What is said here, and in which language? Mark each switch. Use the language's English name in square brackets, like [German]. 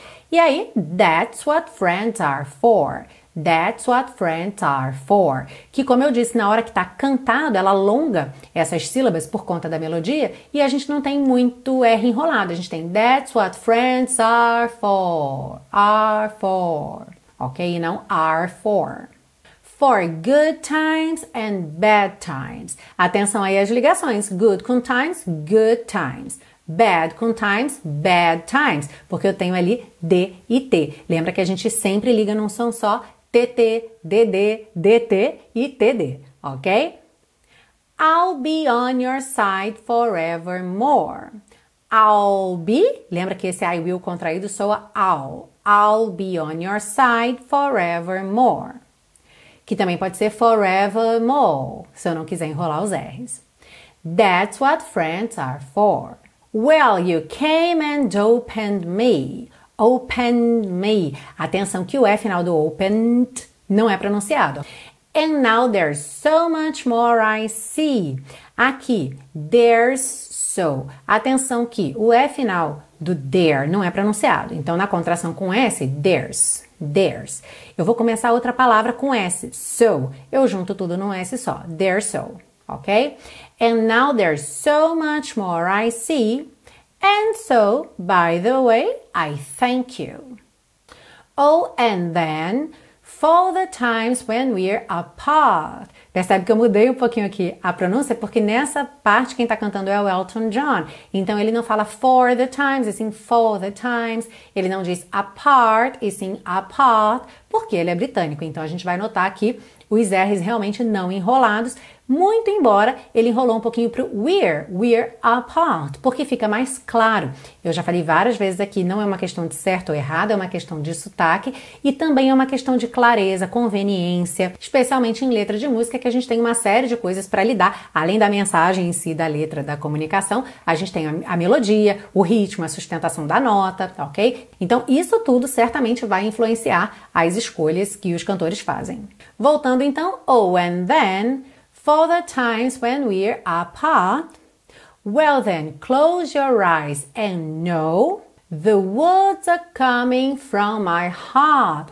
[Portuguese] E aí, [English] that's what friends are for. That's what friends are for. [Portuguese] Que, como eu disse, na hora que está cantado, ela alonga essas sílabas por conta da melodia e a gente não tem muito R enrolado. A gente tem [English] that's what friends are for. Are for. Ok? [Portuguese] E não [English] are for. For good times and bad times. [Portuguese] Atenção aí às ligações. Good com times, [English] good times. [Portuguese] Bad com times, [English] bad times. [Portuguese] Porque eu tenho ali D e T. Lembra que a gente sempre liga num som só. TT, DD, DT e TD, ok? [English] I'll be on your side forevermore. I'll be, [Portuguese] lembra que esse I will contraído soa I'll. [English] I'll be on your side forevermore. Que também pode ser forevermore, se eu não quiser enrolar os R's. That's what friends are for. Well, you came and opened me. Open me. [Portuguese] Atenção que o E final do opened não é pronunciado. [English] And now there's so much more I see. Aqui, there's so. [Portuguese] Atenção que o E final do there não é pronunciado. Então, na contração com S, there's. There's. Eu vou começar outra palavra com S, so. Eu junto tudo num S só. [English] There's so. [Portuguese] Ok? [English] And now there's so much more I see. And so, by the way, I thank you. Oh, and then, for the times when we're apart. [Portuguese] Percebe que eu mudei um pouquinho aqui a pronúncia? Porque nessa parte quem tá cantando é o Elton John. Então ele não fala [English] for the times, [Portuguese] e sim for the times. Ele não diz apart, e sim apart, porque ele é britânico. Então a gente vai notar aqui os R's realmente não enrolados. Muito embora ele enrolou um pouquinho pro we're apart, porque fica mais claro. Eu já falei várias vezes aqui, não é uma questão de certo ou errado, é uma questão de sotaque e também é uma questão de clareza, conveniência, especialmente em letra de música, que a gente tem uma série de coisas para lidar, além da mensagem em si, da letra, da comunicação, a gente tem a melodia, o ritmo, a sustentação da nota, ok? Então, isso tudo certamente vai influenciar as escolhas que os cantores fazem. Voltando então, [English] oh, and then... For the times when we're apart, well then, close your eyes and know the words are coming from my heart.